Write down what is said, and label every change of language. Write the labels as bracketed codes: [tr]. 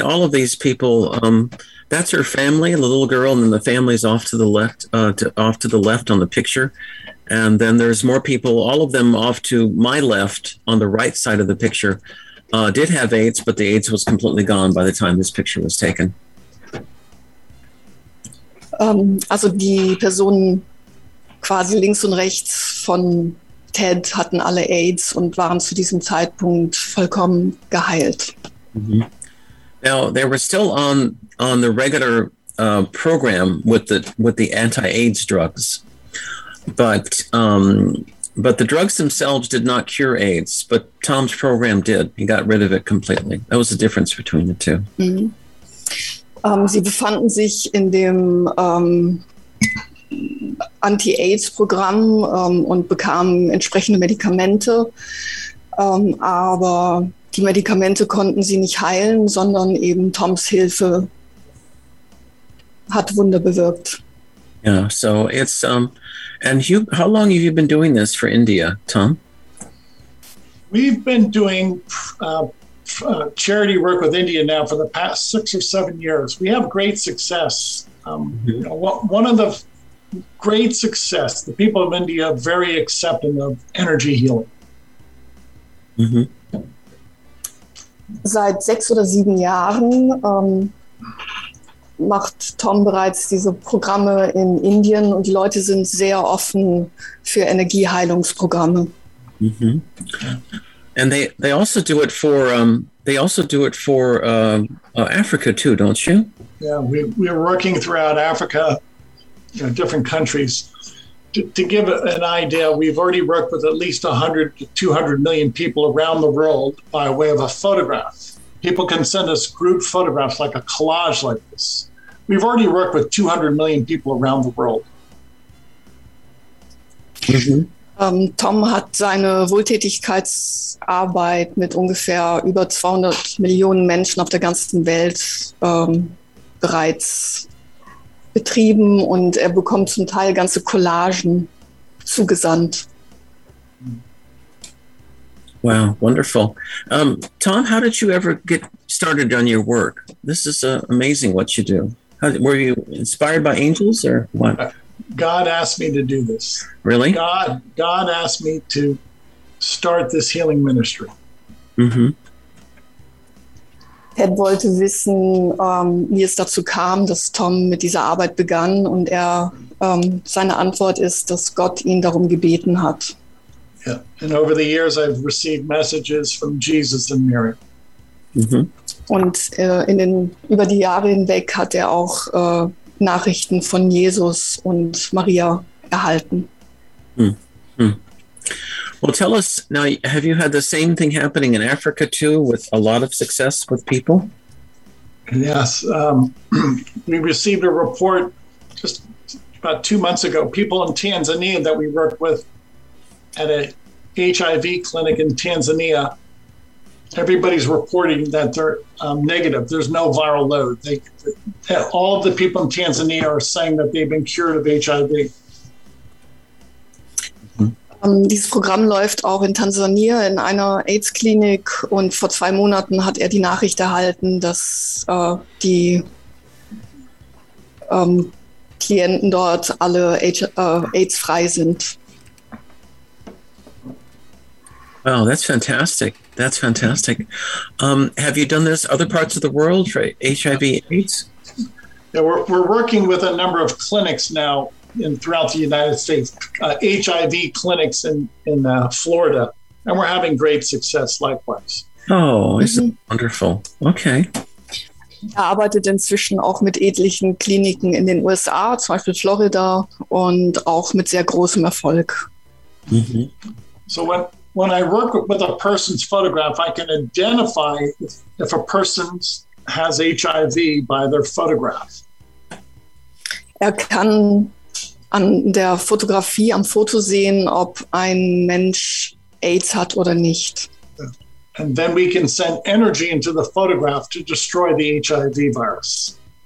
[en] All of these people, that's her family, the little girl, and then the family's off to the left, off to the left on the picture. And then there's more people, all of them off to my left on the right side of the picture. Did have AIDS, but the AIDS was completely gone by the time this picture was taken. [de] Also die Personen quasi links und rechts von Ted hatten alle AIDS und waren zu diesem Zeitpunkt vollkommen geheilt. Mm-hmm. [en] Now they were still on the regular program with the anti-AIDS drugs, but the drugs themselves did not cure AIDS, but Tom's program did. He got rid of it completely. That was the difference between the two. Mm-hmm. [de] Sie befanden sich in dem Anti-AIDS-Programm und bekamen entsprechende Medikamente, aber die Medikamente konnten sie nicht heilen, sondern eben Toms Hilfe hat Wunder bewirkt. [en] Ja, yeah, so it's and you, how long have you been doing this for India, Tom? We've been doing charity work with India now for the past 6 or 7 years. We have great success. One of the great success, the people of India are very accepting of energy healing. Mm-hmm. [de] Seit 6 oder 7 Jahren macht Tom bereits diese Programme in Indien, und die Leute sind sehr offen für Energieheilungsprogramme. Mm-hmm. [en] And they also do it for they also do it for Africa too, don't you? Yeah, we are working throughout Africa, you know, different countries. To give an idea, we've already worked with at least 100 to 200 million people around the world by way of a photograph. People can send us group photographs, like a collage like this. We've already worked with 200 million people around the world. Mm-hmm. [de] Tom hat seine Wohltätigkeitsarbeit mit ungefähr über 200 Millionen Menschen auf der ganzen Welt bereits betrieben, und er bekommt zum Teil ganze Collagen zugesandt. [en] Wow, wonderful. Tom, how did you ever get started on your work? This is amazing what you do. Were you inspired by angels or what? God asked me to do this. Really? God asked me to start this healing ministry. Mm-hmm. [de] Ted wollte wissen, wie es dazu kam, dass Tom mit dieser Arbeit begann, und er seine Antwort ist, dass Gott ihn darum gebeten hat. [en] Yeah. And over the years I've received messages from Jesus and Mary. Mm-hmm. [de] Und über die Jahre hinweg hat er auch Nachrichten von Jesus und Maria erhalten. [en] Well, tell us now, have you had the same thing happening in Africa too, with a lot of success with people? Yes. We received a report just about 2 months ago. People in Tanzania that we worked with at a HIV clinic in Tanzania, everybody's reporting that they're negative. There's no viral load. All of the people in Tanzania are saying that they've been cured of HIV. [de] Dieses Programm läuft auch in Tansania in einer AIDS-Klinik, und vor 2 Monaten hat er die Nachricht erhalten, dass die Klienten dort alle AIDS-frei sind. [en] Wow, that's fantastic. That's fantastic. Have you done this other parts of the world for HIV/AIDS? Yeah, we're working with a number of clinics now throughout the United States, HIV clinics in Florida, and we're having great success likewise. Oh, isn't mm-hmm. wonderful. Okay. [de] Er arbeitet inzwischen auch mit etlichen Kliniken in den USA, zum Beispiel Florida, und auch mit sehr großem Erfolg. [en] So when I work with a person's photograph, I can identify if a person has HIV by their photograph. [de] Kann an der Fotografie, am Foto sehen, ob ein Mensch AIDS hat oder nicht. [en] And then we can send energy into the photograph to destroy the HIV virus.